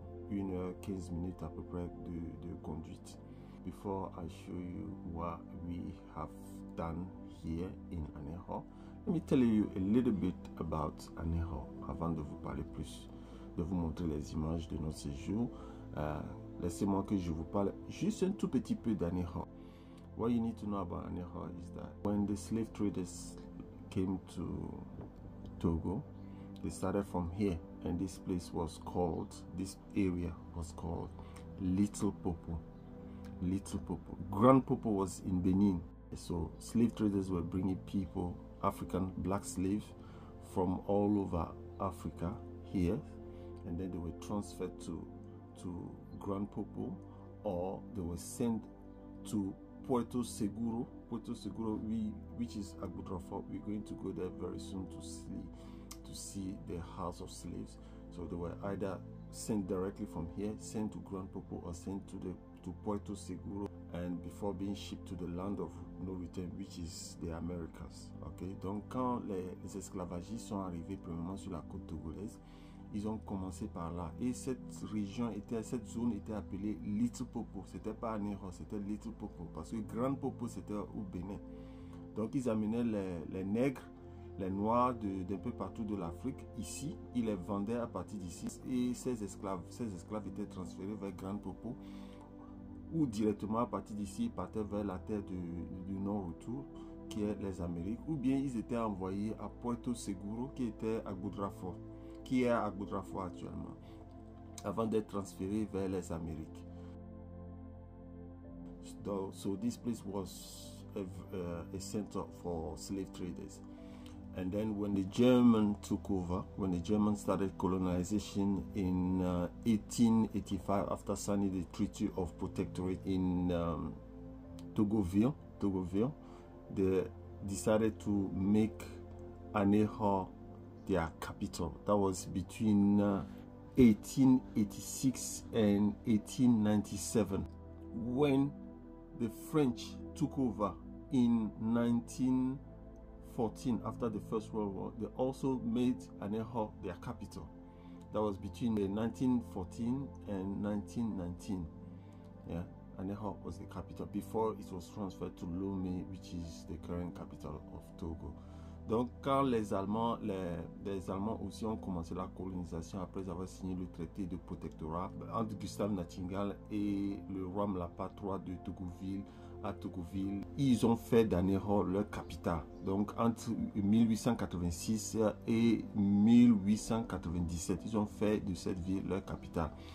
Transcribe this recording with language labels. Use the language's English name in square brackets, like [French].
[French] 1h15 à peu près de conduite. [English] Before I show you what we have done here in Aneho, let me tell you a little bit about Aneho [French] avant de vous parler plus. De vous montrer les images de notre séjour. Laissez-moi que je vous parle juste un tout petit peu d'Aneho. [English] What you need to know about Aneho is that when the slave traders came to Togo, they started from here, and this area was called Little Popo. Little Popo. Grand Popo was in Benin. So slave traders were bringing people, African black slaves, from all over Africa here. And then they were transferred to Grand Popo, or they were sent to Puerto Seguro, which is Agbutrofo. We're going to go there very soon to see the house of slaves. So they were either sent directly from here, sent to Grand Popo, or sent to Puerto Seguro, and before being shipped to the land of no return, which is the Americas. [French] Okay, donc quand les esclavagistes sont arrivés premièrement sur la côte togolaise, ils ont commencé par là, et cette zone était appelée Little Popo. C'était pas Aneho, c'était Little Popo, parce que Grand Popo c'était au Bénin. Donc ils amenaient les nègres, les noirs d'un peu partout de l'Afrique ici. Ils les vendaient à partir d'ici, et ces esclaves étaient transférés vers Grand Popo, ou directement à partir d'ici ils partaient vers la terre du non-retour, qui est les Amériques, ou bien ils étaient envoyés à Puerto Seguro, qui était à Agbutrofo, qui est à Agbutrofo actuellement, avant d'être transféré vers les Amériques. [English] So this place was a center for slave traders. And then when the Germans took over, when the Germans started colonization in 1885, after signing the Treaty of Protectorate in Togoville, they decided to make Aneho their capital. That was between 1886 and 1897, when the French took over in 1914, after the First World War. They also made Aneho their capital. That was between 1914 and 1919. Yeah, Aneho was the capital before it was transferred to Lome, which is the current capital of Togo. [French] Donc quand les Allemands aussi ont commencé la colonisation après avoir signé le traité de protectorat entre Gustave Nachtigal et le roi Mlapa III de Togoville à Togoville, ils ont fait d'Aneho leur capitale. Donc entre 1886 et 1897, ils ont fait de cette ville leur capitale.